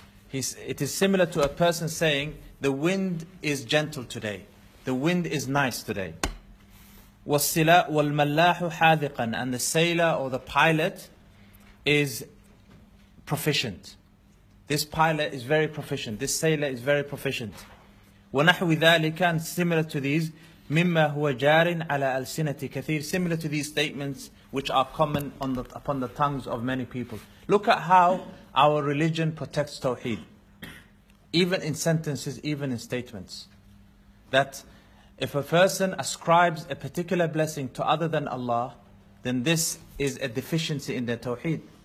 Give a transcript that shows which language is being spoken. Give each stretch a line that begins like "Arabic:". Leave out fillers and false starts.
English: It is similar to a person saying, the wind is gentle today, the wind is nice today.
Arabic: والملاح حاذقا,
English: and the sailor or the pilot is proficient. This pilot is very proficient, this sailor is very proficient.
Arabic: ونحو ذلك,
English: and similar to these,
Arabic: مِمَّا هُوَ جَارٍ عَلَىٰ أَلْسِنَةِ كَثِيرٍ.
English: Similar to these statements which are common upon the tongues of many people. Look at how our religion protects Tawheed. Even in sentences, even in statements. That if a person ascribes a particular blessing to other than Allah, then this is a deficiency in their Tawheed.